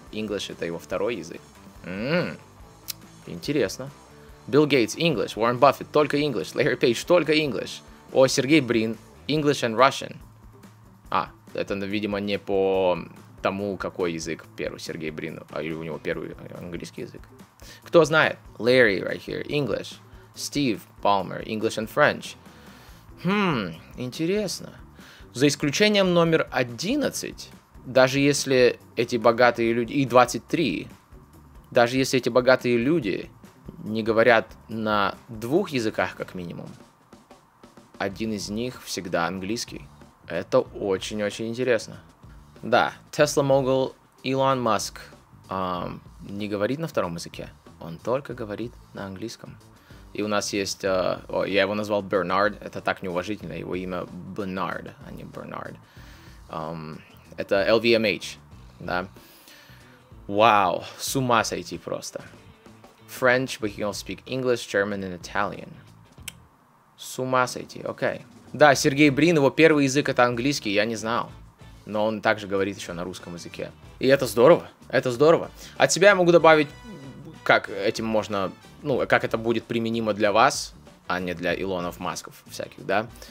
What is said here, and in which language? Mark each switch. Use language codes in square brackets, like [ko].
[ru] English — это его второй язык. Интересно. Билл Гейтс — English. Уоррен Баффет — только English. Ларри Пейдж — только English. О, Сергей Брин — [en] English and Russian. [ru] А, это, видимо, не по тому, какой язык первый Сергей Брин, а у него первый английский язык. Кто знает? Ларри [en] right here [ru] — English. Стив Палмер — [en] English and French. [ru] Интересно. За исключением номер 11, даже если эти богатые люди... И 23. Даже если эти богатые люди не говорят на двух языках, как минимум, один из них всегда английский. Это очень-очень интересно. Да, Tesla Mogul Elon Musk не говорит на втором языке. Он только говорит на английском. И у нас есть... я его назвал Бернард. Это так неуважительно. Его имя Бернард, а не Бернард. Это LVMH. Да? Вау, с ума сойти просто. [en] French, but he can also speak English, German and Italian. [ru] С ума сойти, окей. Да, Сергей Брин, его первый язык — это английский, я не знал. Но он также говорит еще на русском языке. И это здорово, это здорово. От себя я могу добавить, как этим можно... Ну, как это будет применимо для вас, а не для Илонов, Масков всяких, да?